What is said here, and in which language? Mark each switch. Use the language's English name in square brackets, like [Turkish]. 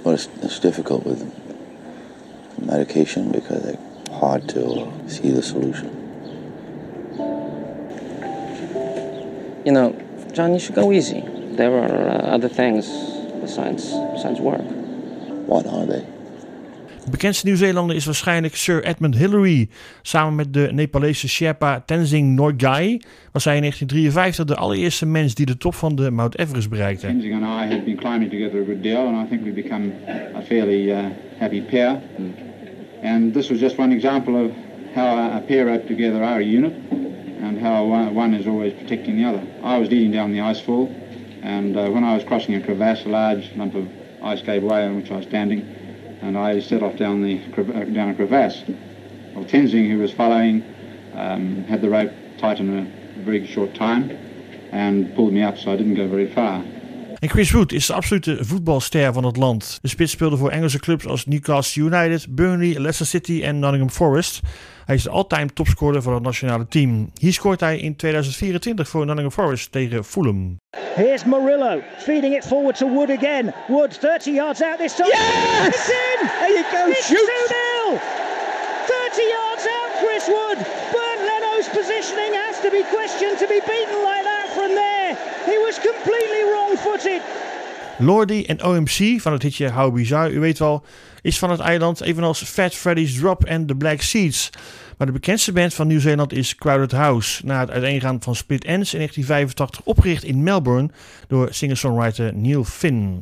[English] But it's difficult with medication because it's hard to see the solution. You know, John, you should go easy. There are other things besides work. What are they? [Dutch] De bekendste Nieuw-Zeelander is waarschijnlijk Sir Edmund Hillary. Samen met de Nepalese Sherpa Tenzing Norgay was hij in 1953 de allereerste mens die de top van de Mount Everest bereikte. [English] Tenzing and I have been climbing together a good deal and I think we've become a fairly happy pair. And this was just one example of how a pair act together, our unit, and how one is always protecting the other. I was leading down the ice fall and when I was crossing a crevasse, a large lump of ice gave way on which I was standing. And I set off down a crevasse. Well, Tenzing, who was following, had the rope tight in a very short time and pulled me up, so I didn't go very far. [Dutch] En Chris Wood is de absolute voetbalster van het land. De spits speelde voor Engelse clubs als Newcastle United, Burnley, Leicester City en Nottingham Forest. Hij is de all-time topscorer van het nationale team. Hier scoort hij in 2024 voor Nottingham Forest tegen Fulham. [English] Here's Murillo, feeding it forward to Wood again. Wood, 30 yards out this time. Yes! It's in! There you go, it's shoot! It's 2-0! 30 yards out, Chris Wood! Bert Leno's positioning has to be questioned to be beaten like that from there. He was completely wrong-footed. [Dutch] Lordi en OMC van het hitje How Bizarre, u weet wel, is van het eiland, evenals Fat Freddy's Drop en The Black Seeds. Maar de bekendste band van Nieuw-Zeeland is Crowded House, na het uiteengaan van Split Enz in 1985 opgericht in Melbourne door singer-songwriter Neil Finn.